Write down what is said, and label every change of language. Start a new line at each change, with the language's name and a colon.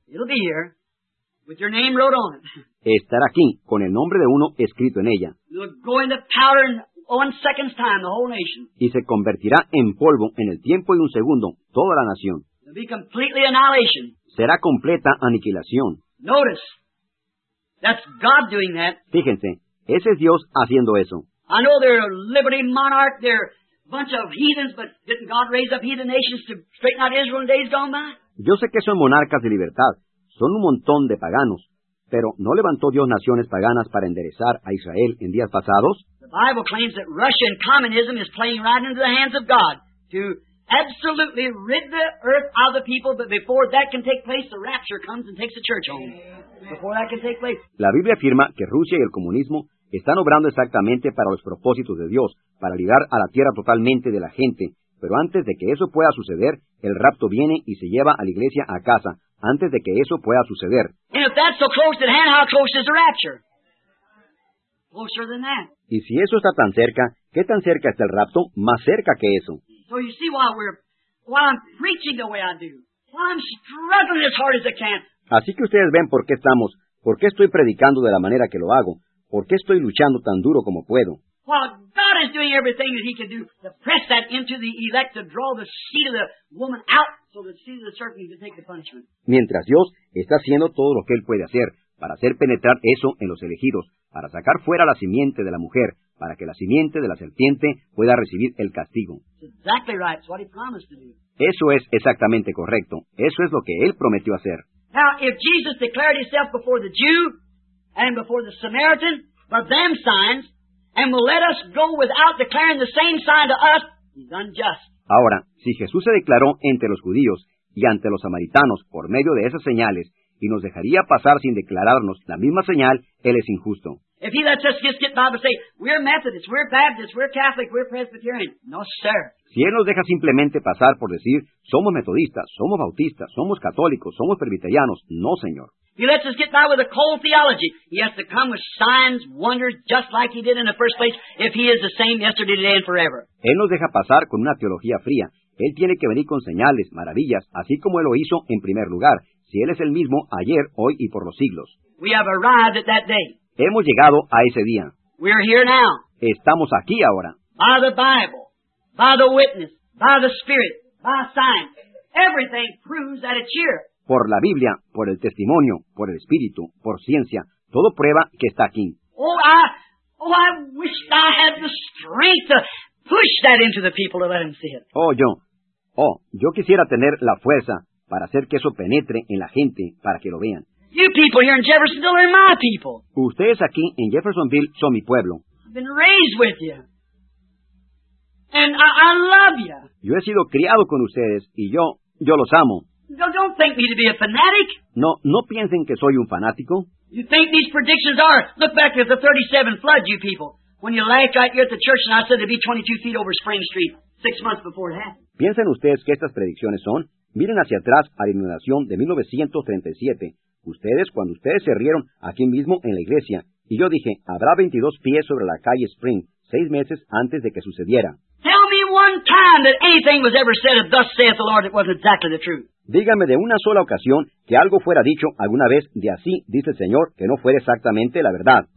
English: It'll be here, with your name wrote on it.
Spanish: Estará aquí, con el nombre de uno escrito en ella.
English: You'll go into powder in 1 second's time, the whole nation.
Spanish: Y se convertirá en polvo en el tiempo de un segundo, toda la nación.
English: It'll be completely annihilation.
Spanish: Será completa aniquilación.
English: Notice, that's God doing that.
Spanish: Fíjense, ese es Dios haciendo eso.
English: I know they're a liberty monarch, they're a bunch of heathens, but didn't God raise up heathen nations to straighten out Israel in days gone by?
Spanish: Yo sé que son monarcas de libertad, son un montón de paganos, pero ¿no levantó Dios naciones paganas para enderezar a Israel en días pasados?
English: The Bible claims that Russia and communism is playing right into the hands of God to absolutely rid the earth of the people, but before that can take place, the rapture comes and takes the church home. Before that can take place.
Spanish: La Biblia afirma que Rusia y el comunismo están obrando exactamente para los propósitos de Dios, para librar a la tierra totalmente de la gente. Pero antes de que eso pueda suceder, el rapto viene y se lleva a la iglesia a casa, antes de que eso pueda suceder.
English: And if that's so close at hand, how close is the rapture? Closer than that.
Spanish: Y si eso está tan cerca, ¿qué tan cerca está el rapto? Más cerca que eso.
English: So you see while I'm preaching the way I do, while I'm struggling as hard as I can.
Spanish: Así que ustedes ven por qué estamos, por qué estoy predicando de la manera que lo hago, por qué estoy luchando tan duro como puedo.
English: While God is doing everything that he can do to press that into the elect to draw the seed of the woman out so the seed of the serpent can take the punishment.
Spanish: Mientras Dios está haciendo todo lo que él puede hacer para hacer penetrar eso en los elegidos, para sacar fuera la simiente de la mujer, para que la simiente de la serpiente pueda recibir el castigo.
English: Exactly right. It's what he promised to do.
Spanish: Eso es exactamente correcto. Eso es lo que él prometió hacer.
English: Now, if Jesus declared himself before the Jew and before the Samaritan for them signs and will let us go without declaring the same sign to us, he's unjust.
Spanish: Ahora, si Jesús se declaró entre los judíos y ante los samaritanos por medio de esas señales y nos dejaría pasar sin declararnos la misma señal, él es injusto.
English: If he lets us just get by and say, we're Methodists, we're Baptists, we're Catholic, we're Presbyterian. No, sir.
Spanish: Si él nos deja simplemente pasar por decir, somos metodistas, somos bautistas, somos católicos, somos presbiterianos. No, señor.
English: He lets us get by with a cold theology. He has to come with signs, wonders, just like he did in the first place, if he is the same yesterday, today, and forever.
Spanish: Él nos deja pasar con una teología fría. Él tiene que venir con señales, maravillas, así como él lo hizo en primer lugar, si él es el mismo ayer, hoy y por los siglos.
English: We have arrived at that day.
Spanish: Hemos llegado a ese día.
English: We are here now.
Spanish: Estamos aquí ahora.
English: By the Bible, by the witness, by the Spirit, by sign, everything proves that it's here.
Spanish: Por la Biblia, por el testimonio, por el Espíritu, por ciencia, todo prueba que está aquí.
English: Oh, I wish I had the strength to push that into the people to let them see it.
Spanish: Oh, yo quisiera tener la fuerza para hacer que eso penetre en la gente para que lo vean.
English: You people here in Jeffersonville are my people.
Spanish: Ustedes aquí en Jeffersonville son mi pueblo.
English: I've been raised with you. And I love you.
Spanish: Yo he sido criado con ustedes y yo los amo.
English: Don't think me to be a fanatic.
Spanish: No piensen que soy un fanático.
English: You think these predictions are? Look back at the 37 flood, you people. When you laughed right here at the church and I said it'd be 22 feet over Spring Street 6 months before it happened.
Spanish: ¿Piensan ustedes que estas predicciones son? Miren hacia atrás a la inundación de 1937. Ustedes, cuando ustedes se rieron aquí mismo en la iglesia, y yo dije, habrá 22 pies sobre la calle Spring, 6 meses antes de que sucediera.
English: Tell me one time that anything was ever said of thus saith the Lord that wasn't exactly the truth.
Spanish: Dígame de una sola ocasión que algo fuera dicho alguna vez de así, dice el Señor, que no fuera exactamente la verdad.